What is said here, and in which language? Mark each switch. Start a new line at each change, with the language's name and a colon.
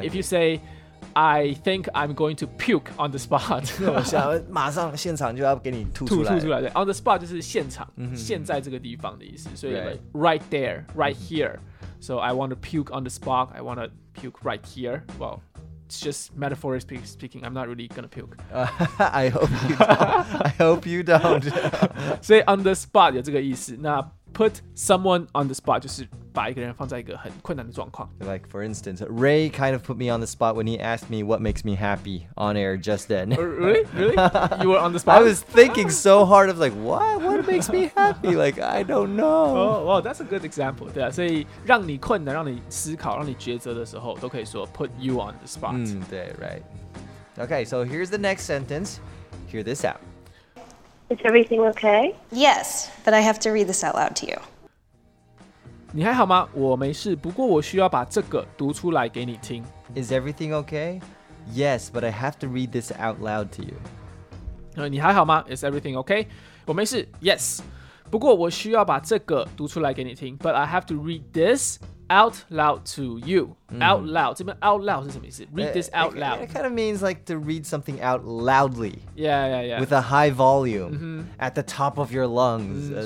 English: Like if you say I think I'm going to puke on the spot.
Chinese: 我想马上现场就要给你吐出来。
English: On the spot
Chinese: 就是现场, 现在这个地方的意思, 所以
English: like, right there, right here. So I want to puke on the spot. I want to puke right here. Well, it's just metaphorically speaking, I'm not really going to puke. I hope you don't. I hope you don't.
Chinese: 所以
English: on the spot
Chinese: 有这个意思, 那
English: put someone on the spot
Chinese: 就是
English: Like, for instance, Ray kind of put me on the spot when he asked me what makes me happy on air just then. Really? You were on the spot? I was thinking so hard of like, what makes me happy? Like, I don't know. Oh, well, that's a good example.
Chinese: 对啊,所以让你困难,让你思考,让你抉择的时候,都可以说
English: put you on the spot. 对, right. Okay, so here's the next sentence. Hear this out. Is everything okay? Yes, but I have to read this out loud to you.
Chinese: 你还好吗？我没事，不过我需要把这个读出来给你听。
English: Is everything okay? Yes, but I have to read this out loud to you.
Chinese: 你还好吗？
English: Is everything okay?
Chinese: 我没事。 Yes, 不过我需要把这个读出来给你听。
English: But I have to read this out loud to you. Out loud.
Chinese: 这边
English: out loud
Chinese: 是什么意思？
English: Read this out loud. It kind of means like to read something out loudly. Yeah, yeah, yeah. With a high volume, at the top of your lungs.